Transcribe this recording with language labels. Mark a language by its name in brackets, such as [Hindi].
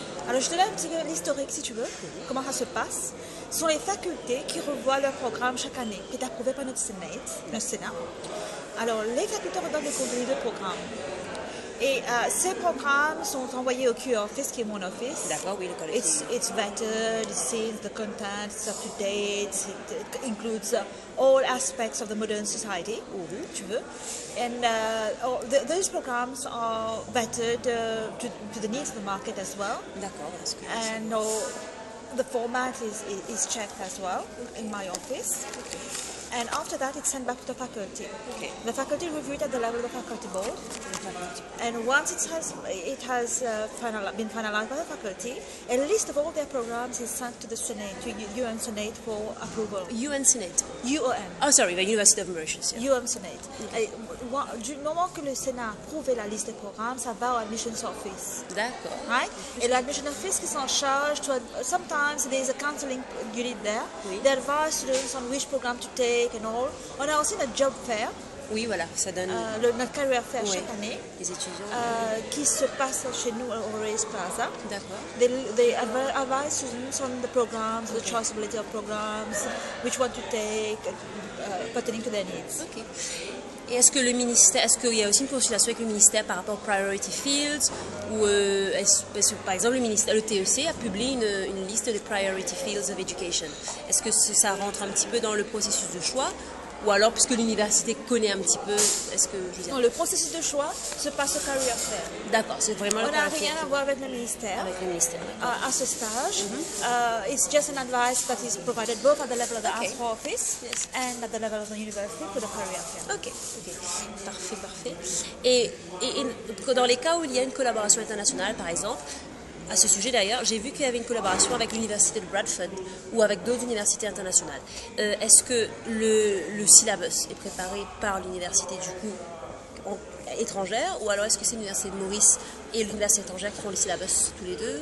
[French] Alors je te donne un petit peu l'historique si tu veux, comment ça se passe. Ce sont les facultés qui revoient leur programme chaque année, qui est approuvé par notre Sénat. Alors les facultés redonnent le contenu de programme. Et ces programmes sont envoyés au QA office, qui est mon office. D'accord, oui, le collège. [English] It's vetted, it sees the content, it's up to date, it includes all aspects of the modern society, mm-hmm. [French] tu veux. [English] And those programs are vetted to the needs of the market as well. [French] D'accord, [English] that's good. And the format is checked as well in my office. Okay. And after that, it's sent back to the faculty. Okay. The faculty reviewed at the level of the faculty board. Mm-hmm. And once it has been finalized by the faculty, a list of all their programs is sent to the Senate, to UN Senate for approval. UN Senate? UOM. Oh, sorry, the University of Mauritius. Yeah. UOM Senate. Okay. [French] Du moment que le Sénat approuve la liste des programmes, ça va au admissions office. D'accord. [English] Right? [French] Et l'admission office qui s'en charge, [English] sometimes there's a counseling unit there. [French] Oui. [English] They advise students on which program to take. And all. [French] On a aussi notre job fair. Oui, voilà, ça donne. Notre career fair oui. Chaque année. Les étudiants. Qui se passe chez nous au Reyes Plaza. D'accord. [English] They advise students on the programs, okay. The choiceability of programs, which one to take, pertaining to their needs. Ok. [French] Et est-ce que le ministère, est-ce qu'il y a aussi une consultation avec le ministère par rapport aux priority fields? Ou est-ce que, par exemple, le ministère, le TEC a publié une liste des [English] priority fields of education. [French] Est-ce que ça rentre un petit peu dans le processus de choix? Ou alors, puisque l'université connaît un petit peu, est-ce que je veux dire... Non, le processus de choix se passe au career fair. D'accord, c'est vraiment on le caractère. On n'a rien à voir avec le ministère. Avec le ministère, à ce stage. Mm-hmm. [English] It's just an advice that is provided both at the level of the ASRO office, yes. And at the level of the university for the career fair. [French] Ok, ok. Parfait, parfait. Et dans les cas où il y a une collaboration internationale, par exemple, à ce sujet d'ailleurs, j'ai vu qu'il y avait une collaboration avec l'université de Bradford ou avec d'autres universités internationales. Est-ce que le syllabus est préparé par l'université du coup étrangère ou alors est-ce que c'est l'université de Maurice et l'université étrangère qui font le syllabus tous les deux?